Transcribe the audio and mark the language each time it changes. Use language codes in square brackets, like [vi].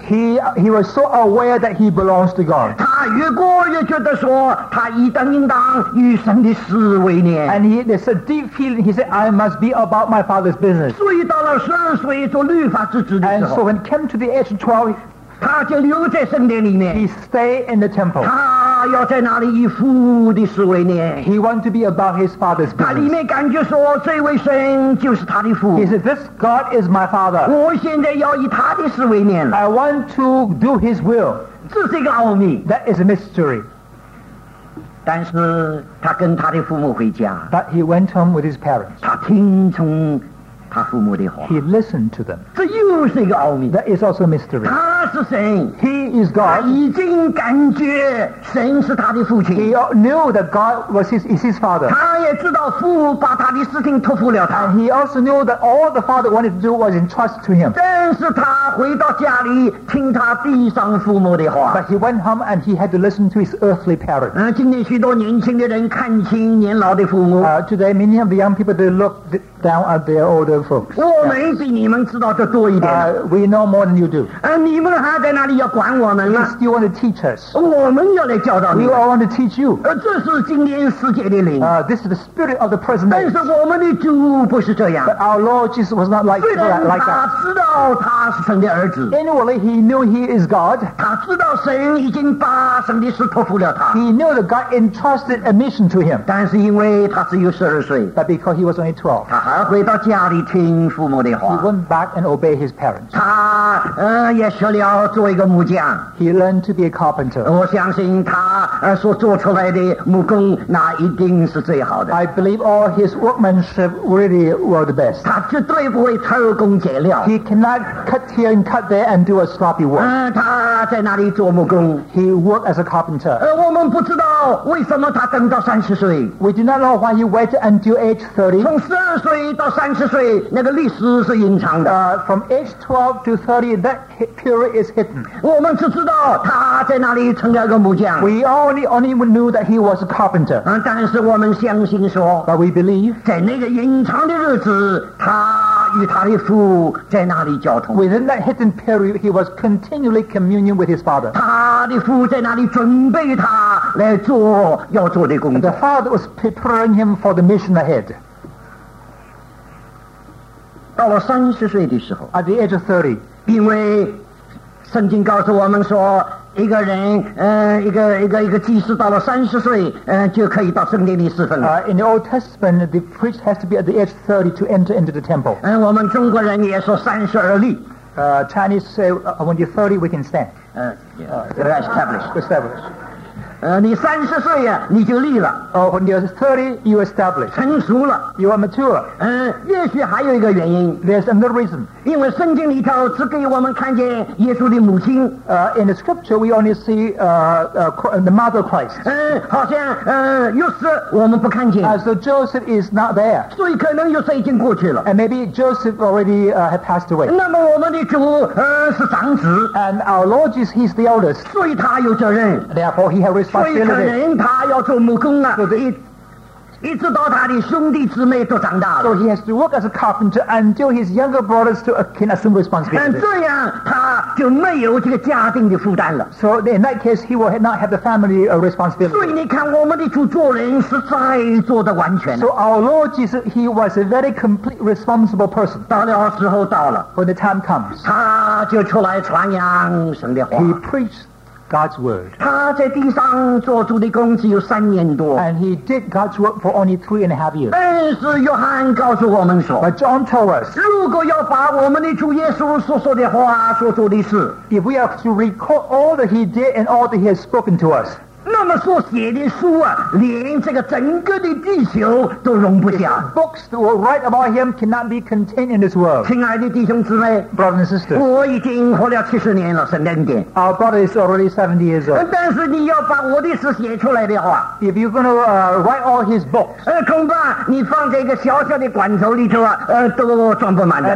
[en] He was so aware that he belongs to God. [zh] 他越过越觉得说，他应当与神的事为念。 [en] And he there's a deep feeling. He said, I must be about my father's business. [zh] 所以到了十二岁做律法之子的时候。 [en] And so when he came to the age of 12, [zh] 他就留在圣殿里面。 [en] He stayed in the temple. [zh] 他要在哪里以父的事为念。 [en] He wanted to be about his father's business. [zh] 他里面感觉说，这位神就是他的父。 [en] He said, this God is my father. [zh] 我现在要以他的事为念。 [en] I want to do his will. [zh] 这是一个奥秘。 [en] That is a mystery. [zh] 但是他跟他的父母回家。 [en] But he went home with his parents. [zh] 他听从他父母的话。 [en] He listened to them. [zh] 这又是一个奥秘。 [en] That is also a mystery. [zh] 他是神。 [en] He is God. [zh] 他已经感觉神是他的父亲。 [en] He knew that God is his father. [zh] 他也知道父把他的事情托付了他。 [en] And he also knew that all the father wanted to do was entrust to him. [zh] 但是他回到家里听他地上父母的话。 [en] But he went home and he had to listen to his earthly parents. [zh] 今天许多年轻的人看轻年老的父母。 [en] Today many of the young people they look down at their older. [zh] 我们比你们知道的多一点。 [en] We know more than you do. [zh] 你们还在那里要管我们呢 [en] ？You still want to teach us? [zh] 我们要来教导你们。 [en] We all want to teach you. [zh] 这是今天世界的灵。 [en] This is the spirit of the present age. [zh] 但是我们的主不是这样。 [en] But our Lord Jesus was not like that. [zh] 虽然他知道他是神的儿子。 [en] Anyway, he knew he is God. [zh] 他知道神已经把神的事托付了他。 [en] He knew that God entrusted a mission to him. [zh] 但是因为他只有十二岁。 [en] But because he was only 12. [zh] 他还回到家里。听父母的话。 [en] He went back and obeyed his parents. [zh] 他也学了做一个木匠。 [en] He learned to be a carpenter. [zh] 我相信他所做出来的木工那一定是最好的。 [en] I believe all his workmanship really were the best. [zh] 他绝对不会偷工减料。 [en] He cannot cut here and cut there and do a sloppy work. [zh] 他在那里做木工。 [en] He worked as a carpenter. [zh] 我们不知道为什么他等到三十岁。 [en] We do not know why he waited until age 30. [zh] 从十二岁到三十岁。那个历史是隐藏的。 [en] From age 12 to 30, that period is hidden. [zh] 我们只知道他在那里成了个木匠。 [en] We only knew that he was a carpenter. [zh] 但是我们相信说。 [en] But we believe. [zh] 在那个隐藏的日子，他与他的父在那里交通。 [en] Within that hidden period, he was continually communing with his father. [zh] 他的父在那里准备他来做要做的工作。 [en] The father was preparing him for the mission ahead. [zh] 到了三十岁的时候 [en] at the age of 30, [zh] 因为圣经告诉我们说一个人一个祭司到了三十岁就可以到圣殿里侍奉了。 [en] In the Old Testament, the priest has to be at the age 30 to enter into the temple. [zh] 我们中国人也说三十而立。 [en] Chinese say, when you're 30, we can stand. Established. [zh] 你三十岁呀、啊，你就立了。 [en] When you're 30, you establish. [zh] 成熟了。 [en] You are mature. [zh] 也许还有一个原因。 [en] There's another reason. [zh] 因为圣经里头只给我们看见耶稣的母亲。 [en] In the scripture, we only see the mother of Christ. [zh] 好像约瑟我们不看见。 [en] So Joseph is not there. [zh] 所以可能约瑟已经过去了。 [en] And maybe Joseph already had passed away. [zh] 那么我们的主是长子。 [en] And our Lord Jesus, he's the eldest. [zh] 所以他有责任。 [en] Therefore, he has. [zh] 所以可能他要做木工啊，一直到他的兄弟姊妹都长大了。 [en] So he has to work as a carpenter until his younger brothers to can assume responsibility. [zh] 这样他就没有这个家庭的负担了。 [en] So in that case, he will not have the family responsibility. [zh] 所以你看，我们的主做人实在做得完全 [en] 了。So our Lord Jesus, he was a very complete responsible person. [zh] 到了时候到了 [en] ，when the time comes, [zh] 他就出来传扬神的话。 [en] He preached. God's word. [zh] 他在地上做主的工只有三年多。 [en] And he did God's work for only 3.5 years. [zh] 但是约翰告诉我们说。 [en] But John told us. [zh] 如果要把我们的主耶稣所说的话所做的事。 [en] If we are to record all that he did and all that he has spoken to us. [zh] 那么所写的书啊连这个整个的地球都容不下。 [en] Books that were write about him cannot be contained in this world. [zh] 亲爱的弟兄姊妹。 [en] Brothers and sisters. [zh] 我已经活了七十年了圣诞节。 [en] Our body is already 70 years old. [zh] 但是你要把我的事写出来的话。 [en] If you're going to write all his books. [zh] 恐怕你放在一个小小的罐头里头啊都装不满的。